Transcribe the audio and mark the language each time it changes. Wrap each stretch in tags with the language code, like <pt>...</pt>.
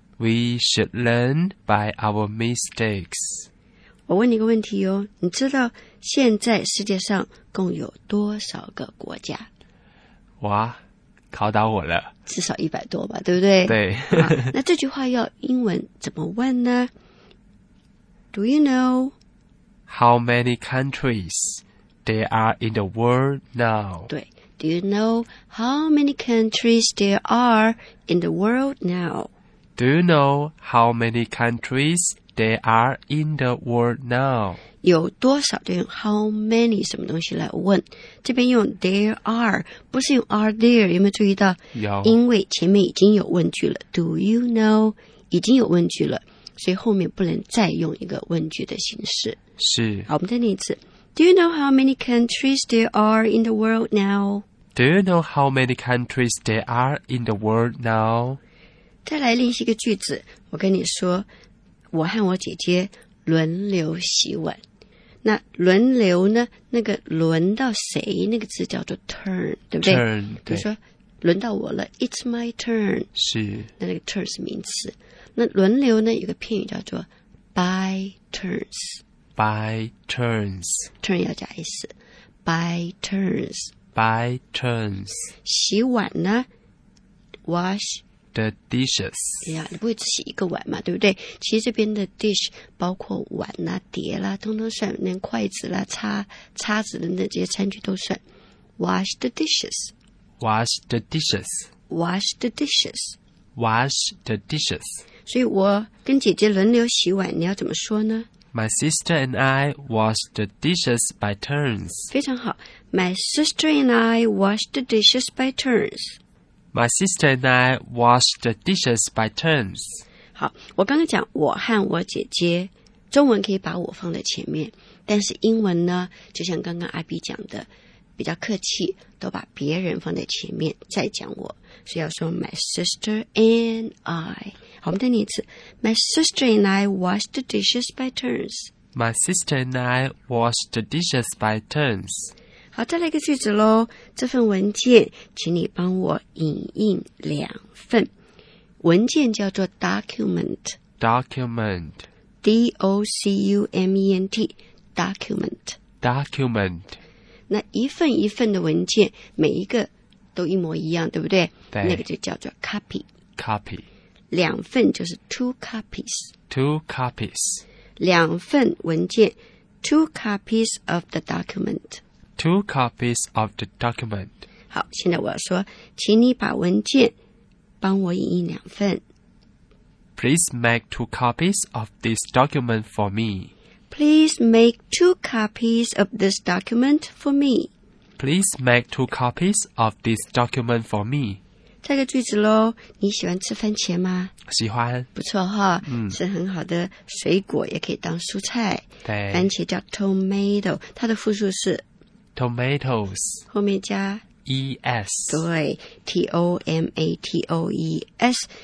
<en>We should learn by our mistakes.</en> <zh>我问你一个问题哦，你知道现在世界上共有多少个国家？哇，考倒我了，至少100多吧，对不对？对。那这句话要英文怎么问呢？</zh> <en>Do you know how many countries there are in the world now? 对， Do you know how many countries there are in the world now? Do you know how many countries there are in the world now?</en> <zh>有多少就用</zh> <en>how many</en> <zh>什么东西来问，这边用</zh> <en>there are，</en> <zh>不是用</zh> <en>are there，</en> <zh>有没有注意到？有，因为前面已经有问句了，</zh> <en>do you know</en> <zh>已经有问句了，所以后面不能再用一个问句的形式。是。好，我们再念一次，</zh> <en>do you know how many countries there are in the world now? Do you know how many countries there are in the world now?</en> <zh>再来练习一个句子，我跟你说我和我姐姐轮流洗碗，那轮流呢，那个轮到谁，那个字叫做 turn， 对不对？</zh> <en>turn， 对。</en> <zh>比如说轮到我了，</zh> <en>it's my turn，</en> <zh>是。那那个 turn 是名词。那轮流呢，有个片语叫做</zh> <en>by turns， by turns， turn</en> <zh>要加</zh> <en>s， by turns， by turns。</en> <zh>洗碗呢，</zh> <en>wash the dishes，</en> <zh>哎呀，你不会只洗一个碗嘛，对不对？其实这边的 dish 包括碗啦、碟啦，通通算，连筷子啦、叉子等等这些餐具都算。</zh> <en>Wash the dishes， wash the dishes， wash the dishes， wash the dishes。</en> <zh>所以我跟姐姐轮流洗碗，你要怎么说呢？</zh> <en>My sister and I wash the dishes by turns。</en> <zh>非常好，</zh> <en>My sister and I wash the dishes by turns。 My sister and I wash the dishes by turns.</en> <zh>好，我刚刚讲我和我姐姐，中文可以把我放在前面，但是英文呢，就像刚刚阿 B 讲的，比较客气，都把别人放在前面再讲我，所以要说</zh> <en>my sister and I.</en> <zh>好，我们再念一次，</zh> <en>my sister and I wash the dishes by turns. My sister and I wash the dishes by turns.</en> <zh>好，再来一个句子咯，这份文件请你帮我影印两份。文件叫做 document，</zh> <en>document， d-o-c-u-m-e-n-t， document， document。</en> <zh>那一份一份的文件每一个都一模一样，对不对？对。那个就叫做 copy，</zh> <en>copy。</en> <zh>两份就是</zh> <en>two copies， two copies，</en> <zh>两份文件，</zh> <en>two copies of the document Two copies of the document.</en> <zh>好，现在我要说，请你把文件帮我影印两份。</zh> <en>Please make two copies of this document for me. Please make two copies of this document for me. Please make two copies of this document for me.</en> <zh>这个句子喽，你喜欢吃番茄吗？喜欢，不错哈，是很好的水果，也可以当蔬菜。对，番茄叫 tomato， 它的复数是</zh> <en>tomatoes，</en> <zh>后面加</zh> <en>es，</en> <zh>对</zh> <en>，t o m a t o e s。</en>